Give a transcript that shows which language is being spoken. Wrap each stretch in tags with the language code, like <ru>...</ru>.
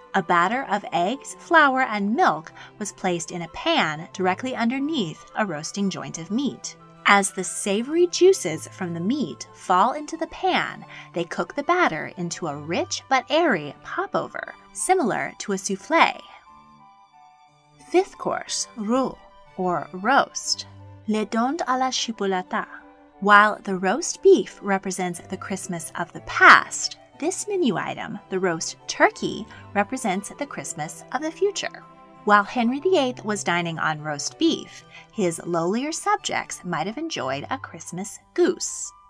<en>A batter of eggs, flour, and milk was placed in a pan directly underneath a roasting joint of meat. As the savory juices from the meat fall into the pan, they cook the batter into a rich but airy popover, similar to a souffle. Fifth course, roux, or roast.</en> <fr>Les dindes à la chipolata.</fr> <en>While the roast beef represents the Christmas of the past, this menu item, the roast turkey, represents the Christmas of the future. While Henry VIII was dining on roast beef, his lowlier subjects might have enjoyed a Christmas goose.</en>